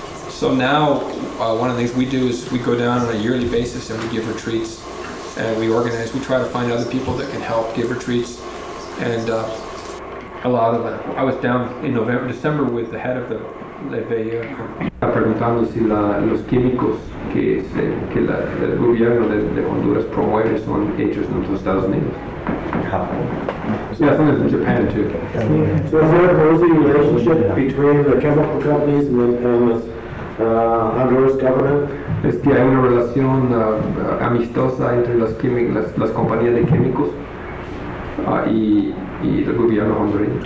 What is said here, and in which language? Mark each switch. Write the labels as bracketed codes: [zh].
[en] So now, one of the things we do is we go down on a yearly basis and we give retreats, and we organize. We try to find other people that can help give retreats, and I was down in November, December, with the head of the Leveia. [es] Preguntando si los químicos que el gobierno de Honduras promueve son hechos en los Estados Unidos. [en] Yeah, some of it's in Japan too. So is there a closing relationship between the chemical companies and the Honduras government? [es] Es que hay una relación amistosa entre las compañías de químicos y el gobierno hondureño.